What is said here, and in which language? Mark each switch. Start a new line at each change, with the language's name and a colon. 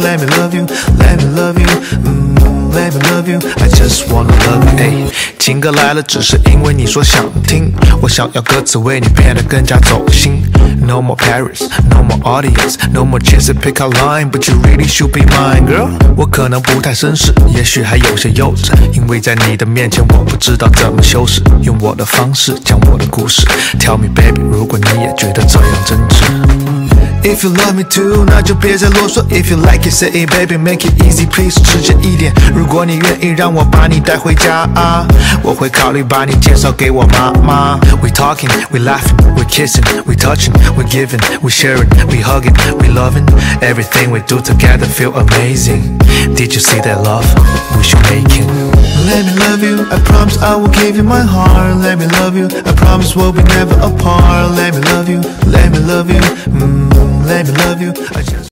English: Let me love you, let me love you, let me love you, I just wanna love you、
Chinese: 情歌来了只是因为你说想听，我想要歌词为你变得更加走心。
English: No more Paris, no more audience, no more chance to pick a line, but you really should be mine, girl.
Chinese: 我可能不太绅士，也许还有些幼稚，因为在你的面前我不知道怎么修饰，用我的方式讲我的故事。
English: Tell me baby,
Chinese: 如果你也觉得这样真挚。
English: If you love me too,
Chinese: 那就别再啰嗦。
English: If you like it, say it, baby, make it easy, please,
Chinese: 直接一点。如果你愿意让我把你带回家、我会考虑把你介绍给我妈妈。
English: We talking, we laughing, we kissing, we touching, we giving, we sharing, we hugging, we loving. Everything we do together feel amazing. Did you see that love we should make it? Let me love you, I promise I will give you my heart. Let me love you, I promise we'll be never apart. Let me love you, let me love you, let me love you, I just